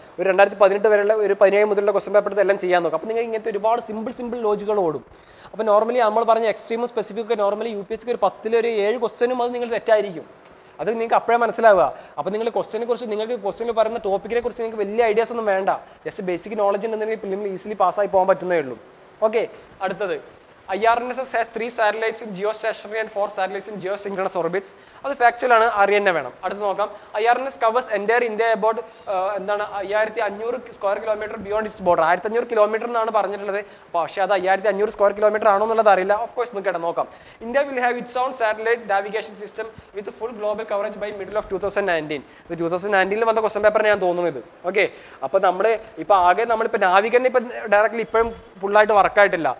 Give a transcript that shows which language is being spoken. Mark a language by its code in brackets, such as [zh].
[ml] ഒരു 2018 വരെയുള്ള ഒരു 17 മുതലുള്ള ക്വസ്റ്റൻ പേപ്പർ എല്ലാം ചെയ്യാൻ നോക്കുക. അപ്പോൾ നിങ്ങൾ ഇങ്ങനത്തെ ഒരുപാട് സിമ്പിൾ ലോജിക്കുകൾ ഓടും. അപ്പോൾ നോർമലി നമ്മൾ പറഞ്ഞ എക്സ്ട്രീമും സ്പെസിഫിക്കും നോർമലി യു പി എസ് സിക്ക് ഒരു 10-7 ക്വസ്റ്റനും അത് നിങ്ങൾ തെറ്റായിരിക്കും. അത് നിങ്ങൾക്ക് അപ്പോഴേ മനസ്സിലാവുക. അപ്പോൾ നിങ്ങൾ ക്വസ്റ്റിനെ കുറിച്ച് നിങ്ങൾക്ക് ക്വസ്റ്റിന് പറയുന്ന ടോപ്പിക്കിനെ കുറിച്ച് നിങ്ങൾക്ക് വലിയ ഐഡിയാസ് ഒന്നും വേണ്ട. ജസ്റ്റ് ബേസിക് നോളജ് ഉണ്ടെന്നുണ്ടെങ്കിൽ പിന്നെ നിങ്ങൾ ഈസിലി പാസ്സായി പോകാൻ പറ്റുന്നേയുള്ളൂ. ഓക്കെ, അടുത്തത് [en] IRNSS has 3 satellites in geostationary and 4 satellites in geosynchronous orbits. [ml] അത് ഫാക്ച്വൽ ആണ്, അറിയന്നെ വേണം. അടുത്ത് നോക്കാം, [en] IRNS covers entire India about [ml] എന്താണ് [en] 5500 square kilometer beyond its border. [ml] 1500 kilometer എന്നാണ് പറഞ്ഞിട്ടുള്ളത്, പക്ഷേ അത് 5500 square kilometer ആണോ എന്നുള്ളത് അറിയില്ല. ഓഫ് കോഴ്സ് നിങ്ങൾക്ക് നോക്കാം. [en] India will have its own satellite navigation system with full global coverage by middle of 2019. [ml] ഇത് 2019 വന്ന ക്വസ്റ്റൻ പേപ്പറിന് ഞാൻ തോന്നുന്നു ഇത്. ഓക്കെ, അപ്പോൾ നമ്മൾ ഇപ്പോൾ ആകെ നമ്മളിപ്പോൾ നാവികനെ ഇപ്പം ഡയറക്റ്റ്ലി ഇപ്പം ഫുള്ളായിട്ട് വർക്കായിട്ടില്ല.